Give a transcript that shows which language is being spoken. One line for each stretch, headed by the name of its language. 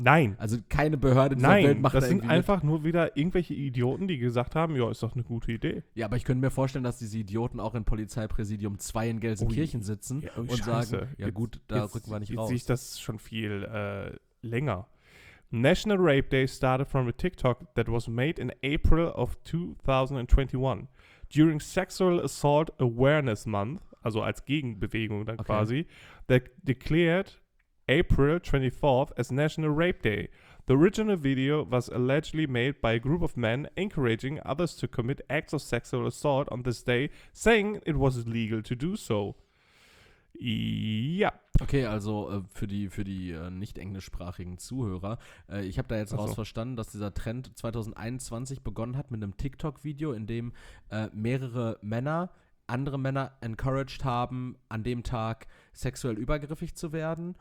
German: Nein. Also keine Behörde in der Welt macht das. Nein, das sind einfach nur wieder irgendwelche Idioten, die gesagt haben, ja, ist doch eine gute Idee. Ja, aber ich könnte mir vorstellen, dass diese Idioten auch in Polizeipräsidium 2 in Gelsenkirchen sitzen und sagen, ja gut, da rücken wir nicht raus. Jetzt sehe ich das schon viel länger.
English: National Rape Day started from a TikTok that was made in April of 2021. During Sexual Assault Awareness Month,
German: also als Gegenbewegung dann okay.
English: quasi, that declared April 24th as National Rape Day. The original video was allegedly made by a group of men encouraging others to commit acts of sexual assault on this day, saying it was legal to do so.
German: Ja. Okay, also für die nicht englischsprachigen Zuhörer, ich habe da jetzt raus verstanden, dass dieser Trend 2021 begonnen hat mit einem TikTok-Video, in dem mehrere Männer andere Männer encouraged haben, an dem Tag sexuell übergriffig zu werden